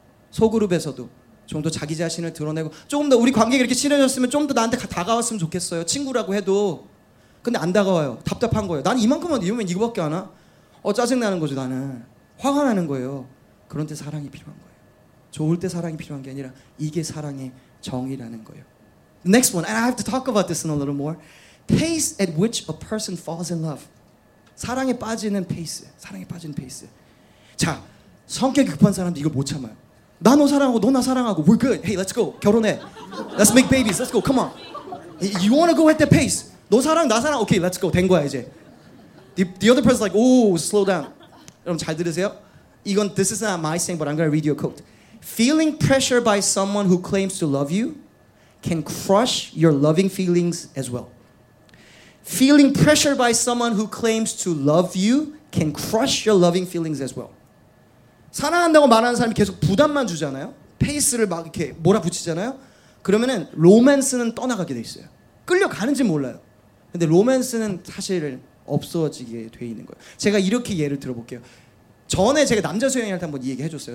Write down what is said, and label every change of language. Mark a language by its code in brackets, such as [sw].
[ko] 소그룹에서도 좀 더 자기 자신을 드러내고 조금 더 우리 관계가 이렇게 친해졌으면 좀 더 나한테 다가왔으면 좋겠어요. 친구라고 해도. 근데 안 다가와요. 답답한 거예요. 난 이만큼만 이러면 이거밖에 안 와? 어, 짜증나는 거죠, 나는. 화가 나는 거예요. 그런 때 사랑이 필요한 거예요. 좋을 때 사랑이 필요한 게 아니라 이게 사랑의 정의라는 거예요. [en] Next one, and I have to talk about this in a little more. Pace at which a person falls in love. [ko] 사랑에 빠지는 페이스. 사랑에 빠지는 페이스. 자, 성격이 급한 사람도 이걸 못 참아요. 나 너 사랑하고 너 나 사랑하고 [en] we're good. Hey, let's go. [ko] 결혼해. [en] Let's make babies. Let's go. Come on. You wanna go at the pace. [ko] 너 사랑 나 사랑. [en] Okay, let's go. [ko] 된 거야 이제. [en] The other person's like, oh, slow down. [ko] 여러분 잘 들으세요? 이건 [en] this is not my saying, but I'm gonna read you a quote. Feeling pressure by someone who claims to love you can crush your loving feelings as well. Feeling pressure by someone who claims to love you can crush your loving feelings as well. [ko] 사랑한다고 말하는 사람이 계속 부담만 주잖아요. 페이스를 막 이렇게 몰아붙이잖아요. 그러면은 로맨스는 떠나가게 돼 있어요. 끌려가는지 몰라요. 근데 로맨스는 사실 없어지게 돼 있는 거예요. 제가 이렇게 예를 들어볼게요. 전에 제가 남자 수영할 때 한번 이 얘기 해줬어요.